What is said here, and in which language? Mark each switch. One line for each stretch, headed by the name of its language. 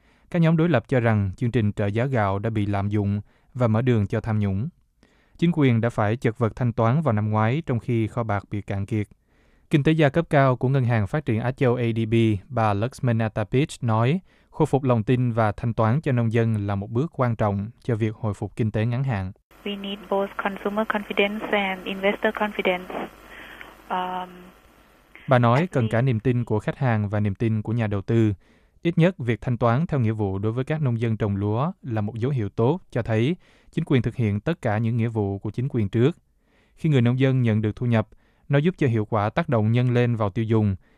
Vietnamese: Các nhóm đối lập cho rằng chương trình trợ giá gạo đã bị lạm dụng và mở đường cho tham nhũng. Chính quyền đã phải chật vật thanh toán vào năm ngoái trong khi kho bạc bị cạn kiệt. Kinh tế gia cấp cao của Ngân hàng Phát triển Á Châu ADB, bà Lakshmanathapich nói, khôi phục lòng tin và thanh toán cho nông dân là một bước quan trọng cho việc hồi phục kinh tế ngắn hạn.
English: We need both consumer confidence and investor confidence.
Vietnamese: Bà nói cần cả niềm tin của khách hàng và niềm tin của nhà đầu tư. Ít nhất, việc thanh toán theo nghĩa vụ đối với các nông dân trồng lúa là một dấu hiệu tốt cho thấy chính quyền thực hiện tất cả những nghĩa vụ của chính quyền trước. Khi người nông dân nhận được thu nhập, nó giúp cho hiệu quả tác động nhân lên vào tiêu dùng.